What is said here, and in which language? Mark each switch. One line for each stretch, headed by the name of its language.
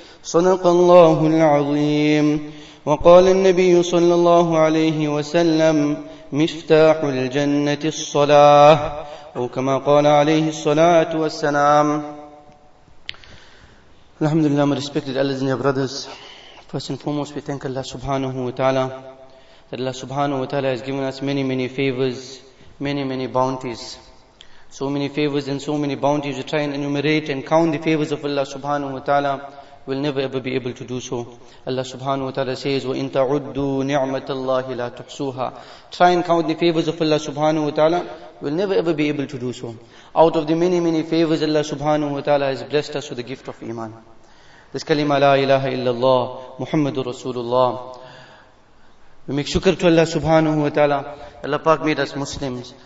Arabic: صدق الله العظيم وقال النبي صلى الله عليه وسلم مفتاح الجنة الصلاة أو كما قال عليه الصلاة والسلام
English: Alhamdulillah, my respected elders and dear brothers. First and foremost, we thank Allah subhanahu wa ta'ala that Allah subhanahu wa ta'ala has given us many, many favors, many, many bounties. So many favors and so many bounties. We try and enumerate and count the favors of Allah subhanahu wa ta'ala. We'll never ever be able to do so. Allah subhanahu wa ta'ala says,
Arabic: وَإِن تَعُدُّوا نِعْمَةَ اللَّهِ لَا تُحْصُوهَا.
English: Try and count the favors of Allah subhanahu wa ta'ala. We'll never ever be able to do so. Out of the many, many favors, Allah subhanahu wa ta'ala has blessed us with the gift of Iman. This kalima, la ilaha illallah, Muhammadur Rasulullah. We make shukr to Allah subhanahu wa ta'ala. Allah Pak made us Muslims.